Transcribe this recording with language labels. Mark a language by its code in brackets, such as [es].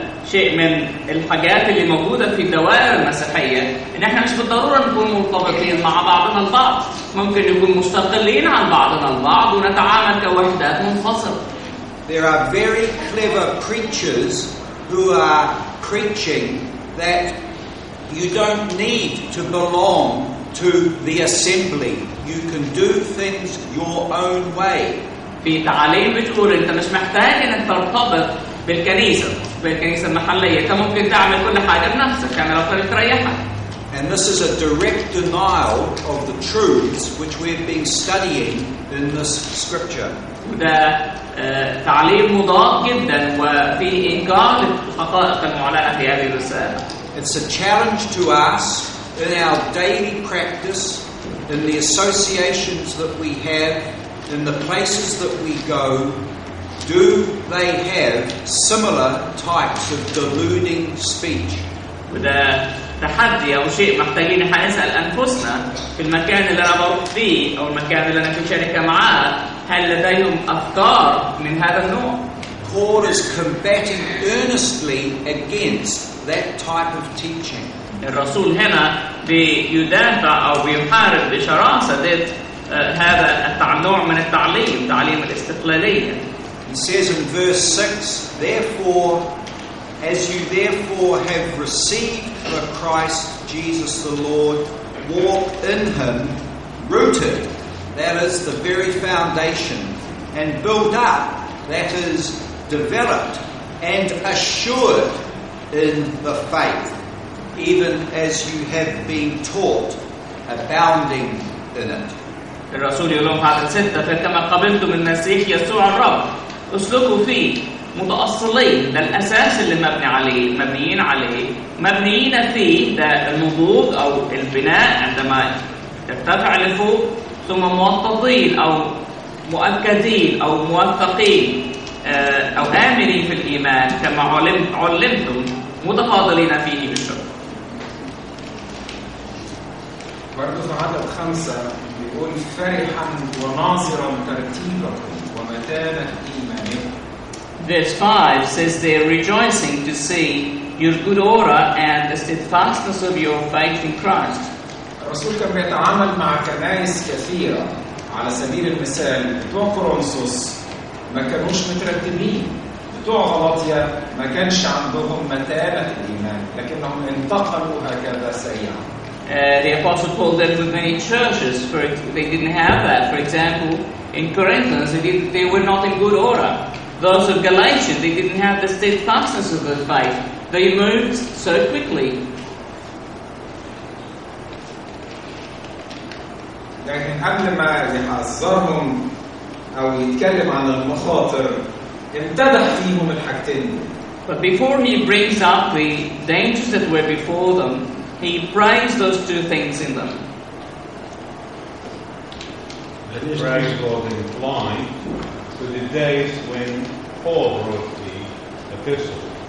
[ar] شيء من الحاجات اللي موجودة في الدوائر المسيحية إن إحنا مش بالضرورة نكون مرتبطين مع بعضنا البعض. ممكن نكون مستقلين عن بعضنا البعض ونتعامل كوحدات منفصلة. [en] There are very clever preachers who are preaching that you don't need to belong to the assembly. You can do things your own way. [ar] في تعاليم بتقول أنت مش محتاج أن ترتبط بالكنيسة بالكنيسة المحلية. أنت ممكن تعمل كل حاجة بنفسك يعني لو كنت تريحة. [en] And this is a direct denial of the truths which we've been studying in this scripture. [ar] وده تعليم مضاد جدا وفي إنكار للحقائق المعلنة في هذه الرسالة. [en] It's a challenge to us in our daily practice, in the associations that we have, in the places that we go. Do they have similar types of deluding speech? [ar] وده تحدي أو شيء محتاجين نسأل أنفسنا في المكان اللي أنا بروح فيه أو المكان اللي أنا في شركة معاه. هل لديهم أفكار من هذا النوع؟ [en] Paul is combating earnestly against that type of teaching. [ar] الرسول هنا بيدافع أو بيحارب بشراسة ضد هذا النوع من التعليم، تعليم الاستقلالية. [en] He says in verse 6, therefore, as you therefore have received the Christ Jesus the Lord, walk in him rooted, that is the very foundation, and built up, that is developed and assured in the faith, even as you have been taught, abounding in it. [ar] الرسول يقول لهم هذا ستة فكما قبلتم المسيح يسوع الرب اسلكوا فيه متأصلين ده الأساس اللي مبني عليه مبنيين عليه مبنيين فيه ده النضوج أو البناء عندما ترتفع لفوق ثم موطدين أو مؤكدين أو موثقين أو آمنين في الإيمان كما علمتم متفاضلين فيه بالشكر. برضو في عدد 5 بيقول فرحا وناظرا ترتيبكم ومتانة إيمانكم. [en] Verse 5 says they're rejoicing to see your good order and the steadfastness of your faith in Christ. [ar] الرسول كان بيتعامل مع كنائس كثيرة على سبيل المثال بتوع كورنثوس ما كانوش مترتبين بتوع غلاطية ما كانش عندهم متانة الإيمان لكنهم انتقلوا هكذا سريعا. [en] The apostle Paul dealt with many churches, for it, they didn't have that. For example, in Corinthians, they were not in good order. Those of Galatians, they didn't have the steadfastness of their faith. They moved so quickly. [ar] لكن قبل ما يحذرهم أو يتكلم عن المخاطر، امتدح فيهم الحاجتين. [en] But before he brings up the dangers that were before them, he praised those two things in them. Let us praise God in blind for the days when Paul wrote the epistle.